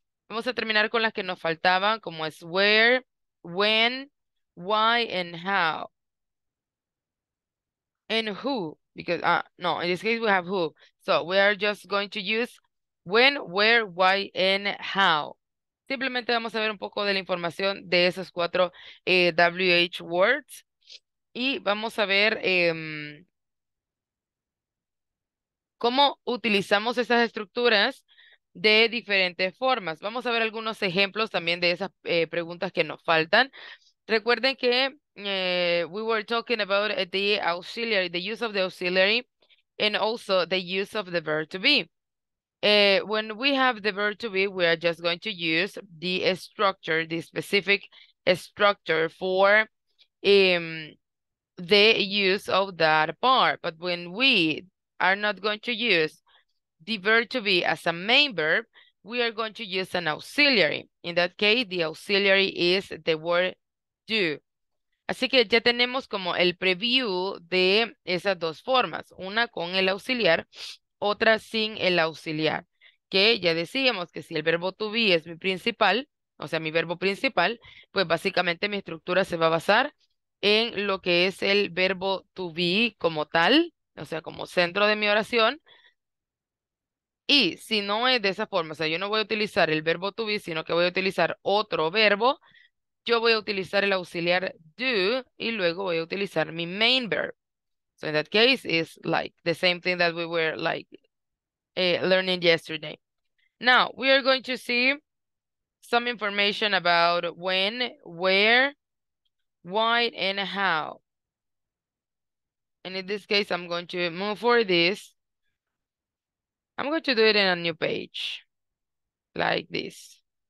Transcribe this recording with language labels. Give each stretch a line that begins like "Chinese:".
Spanish: Vamos a terminar con las que nos faltaban, como es where, when, why, and how.
English: And who, because, no, in this case we have who. So we are just going to use when, where, why, and how.
Spanish: Simplemente vamos a ver un poco de la información de esos cuatro WH words. Y vamos a ver cómo utilizamos esas estructuras de diferentes formas. Vamos a ver algunos ejemplos también de esas preguntas que nos faltan. Recuerden que
English: we were talking about the auxiliary, the use of the auxiliary, and also the use of the verb to be. When we have the verb to be, we are just going to use the structure, the specific structure for the use of that part. But when we are not going to use the verb to be as a main verb, we are going to use an auxiliary. In that case, the auxiliary is the word do.
Spanish: Así que ya tenemos como el preview de esas dos formas, una con el auxiliar, otra sin el auxiliar, que ya decíamos que si el verbo to be es mi principal, o sea, mi verbo principal, pues básicamente mi estructura se va a basar en lo que es el verbo to be como tal, o sea, como centro de mi oración. Y si no es de esa forma, o sea, yo no voy a utilizar el verbo to be, sino que voy a utilizar otro verbo, yo voy a utilizar el auxiliar do y luego voy a utilizar mi main verb.
English: So in that case, it's like the same thing that we were like learning yesterday. Now, we are going to see some information about when, where, why, and how. And in this case, I'm going to move for this. I'm going to do it in a new page, like this.